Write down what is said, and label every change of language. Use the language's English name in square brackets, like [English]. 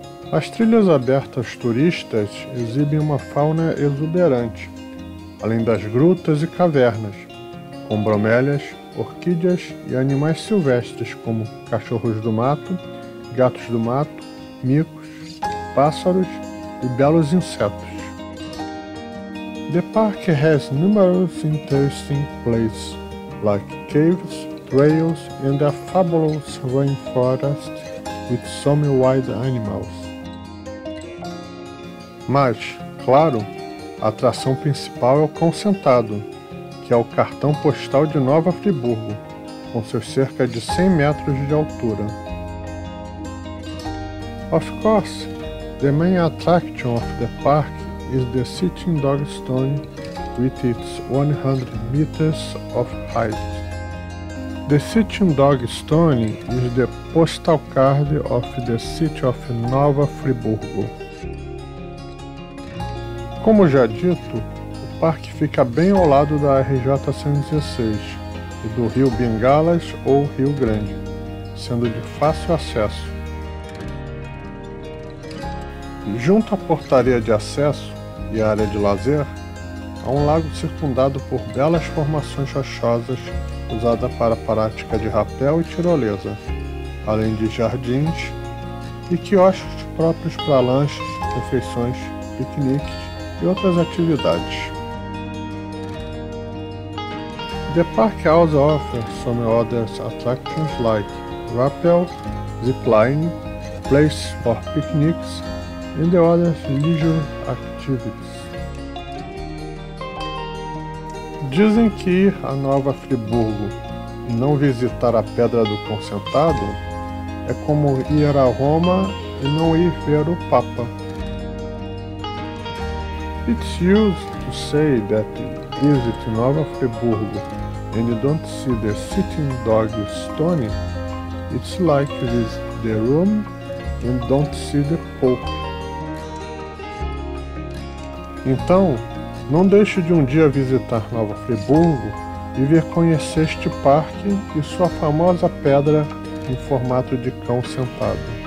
[Portuguese] As trilhas abertas aos turistas exibem uma fauna exuberante, além das grutas e cavernas, com bromélias, orquídeas e animais silvestres como cachorros do mato, gatos do mato, micos, pássaros e belos insetos. [English] The park has numerous interesting places, like caves, trails and a fabulous rainforest with some wild animals. [Portuguese] Mas, claro, a atração principal é o Cão Sentado, que é o cartão postal de Nova Friburgo, com seus cerca de 100 metros de altura. [English] Of course, the main attraction of the park is the sitting dog stone with its 100 meters of height. The sitting dog stone is the postal card of the city of Nova Friburgo. [Portuguese] Como já dito, o parque fica bem ao lado da RJ-116 e do rio Bengalas ou Rio Grande, sendo de fácil acesso. Junto à portaria de acesso e à área de lazer, há um lago circundado por belas formações rochosas usada para a prática de rapel e tirolesa, além de jardins e quiosques próprios para lanches, refeições, piqueniques e outras atividades. [English] The park also offers some other attractions like rappel, zipline, place for picnics and other leisure activities. [Portuguese] Dizem que ir a Nova Friburgo e não visitar a Pedra do Consentado é como ir a Roma e não ir ver o Papa. [English] It's used to say that visit Nova Friburgo and you don't see the sitting dog Stoney, it's like visit the room and don't see the Pope. [Portuguese] Então, não deixe de um dia visitar Nova Friburgo e ver conhecer este parque e sua famosa pedra em formato de cão sentado.